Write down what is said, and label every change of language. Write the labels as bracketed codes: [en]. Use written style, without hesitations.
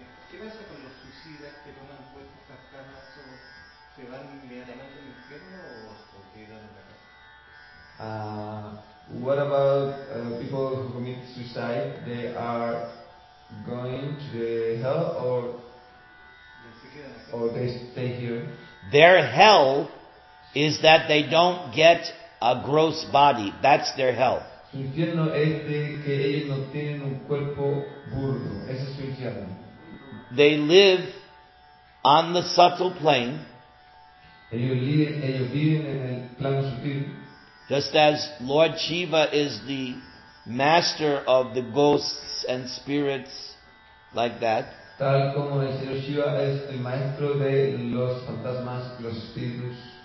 [es] ¿Qué pasa con los suicidas que toman pues estas camas? ¿Se van inmediatamente al infierno o quedan en la casa? [en] What about people who commit suicide? They are going to the hell or they stay here? Their hell is that they don't get a gross body. That's their hell. [es] Su infierno es de que ellos no tienen un cuerpo burdo. Ese es su infierno. [en] They live on the subtle plane. [es] Ellos viven en el plano sutil. [en] Just as Lord Shiva is the master of the ghosts and spirits like that. [es] Tal como el señor Shiva es el maestro de los fantasmas, los espíritus.